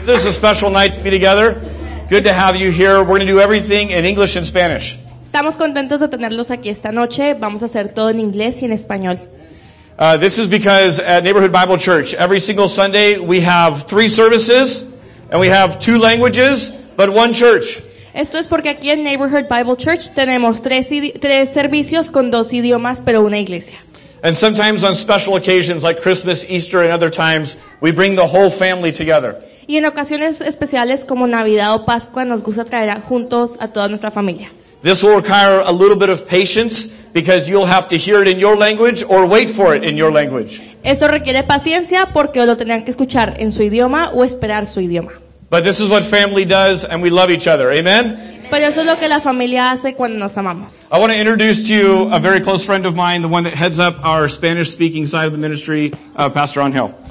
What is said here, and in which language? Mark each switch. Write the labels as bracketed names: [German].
[English] This is a special night to be together. Good to have you here. We're going to do everything in English and Spanish. [Spanish] Estamos contentos de tenerlos aquí esta noche. Vamos a hacer todo en inglés y en español. [English] This is because at Neighborhood Bible Church, every single Sunday, we have three services, and we have two languages, but one church. [Spanish] Esto es porque aquí en Neighborhood Bible Church tenemos tres servicios con dos idiomas, pero una iglesia. [English] And sometimes on special occasions like Christmas, Easter, and other times, we bring the whole family together. [Spanish] Y en ocasiones especiales como Navidad o Pascua, nos gusta traer juntos a toda nuestra familia. [English] This will require a little bit of patience because you'll have to hear it in your language or wait for it in your language. [Spanish] Esto requiere paciencia porque lo tendrán que escuchar en su idioma o esperar su idioma. [English] But this is what family does and we love each other. Amen? [Spanish] Pero eso es lo que la familia hace cuando nos amamos. [English] I want to introduce to you a very close friend of mine, the one that heads up our Spanish-speaking side of the ministry, Pastor Angel.